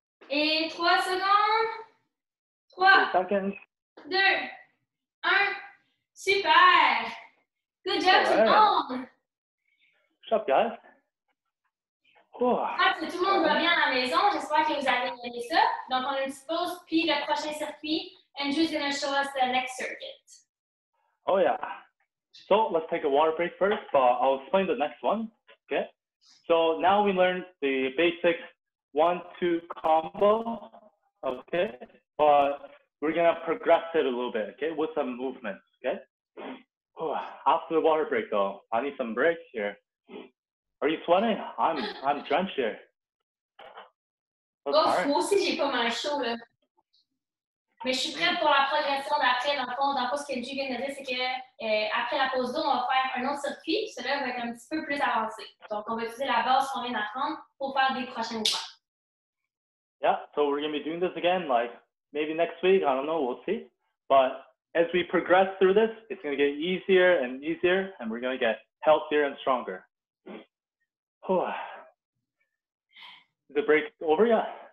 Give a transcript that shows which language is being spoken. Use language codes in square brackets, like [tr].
[fr] Et 3 secondes. 3, 2, 1. Super! [en] Good job, [fr] tout le monde! [en] Up, guys. Oh. [fr] Tout le monde va bien à la maison. J'espère que vous avez aimé ça. Donc, on a une petite pause, puis le prochain circuit. [en] Andrew's going to show us the next circuit. Oh, yeah. So, let's take a water break first, but I'll explain the next one. Okay? So now we learned the basic 1-2 combo, okay? But we're gonna progress it a little bit, okay? With some movements, okay? After the water break though, I need some breaks here. Are you sweating? I'm drenched here. [fr] Moi aussi, j'ai pas mal chaud, là. Mais je suis prête pour la progression d'après, dans le fond. Dans le fond, ce que Julie vient de dire, c'est qu'après la pause d'eau, on va faire un autre circuit. Celui-là va être un petit peu plus avancé. Donc, on va utiliser la base qu'on vient d'apprendre pour faire des prochains mouvements. [en] Yeah, so we're going to be doing this again, like, maybe next week. I don't know. We'll see. But as we progress through this, it's going to get easier and easier, and we're going to get healthier and stronger. Is the break over yet?